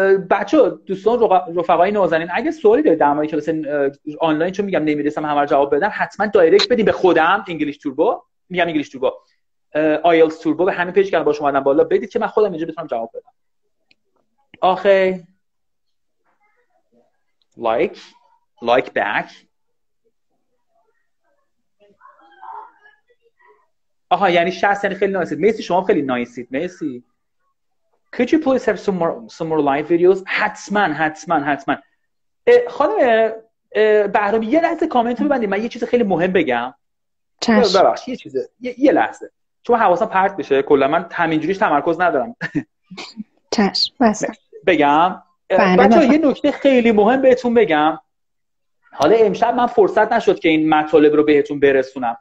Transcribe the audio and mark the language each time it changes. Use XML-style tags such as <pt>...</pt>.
<fa>بچه دوستان رفقای نازنین، اگه سوالی دارید در مورد کلاس آنلاین، چون میگم نمیرسم همه رو جواب بدم، حتما دایرکت بدید به خودم انگلیش توربو، میگم انگلیش توربو، آیلز توربو، به همین پیج که با شما دادم بالا بدید که من خودم اینجا بتونم جواب بدم. آخه لایک بک. آها یعنی 60 یعنی خیلی نایسید. مرسی، شما خیلی نایسید. مرسی.</fa> <en>Could you please have some more live videos?</en> <fa>حتما. خانم بهرامی یه لحظه کامنت رو ببندید، من یه چیز خیلی مهم بگم. چش. ببخش یه چیزه. یه لحظه. چون حواسم پرت بشه کلا، من همینجوریش تمرکز ندارم. چش. بس. بگم. بچه‌ها یه نکته خیلی مهم بهتون بگم. حالا امشب من فرصت نشد که این مطالب رو بهتون برسونم.</fa>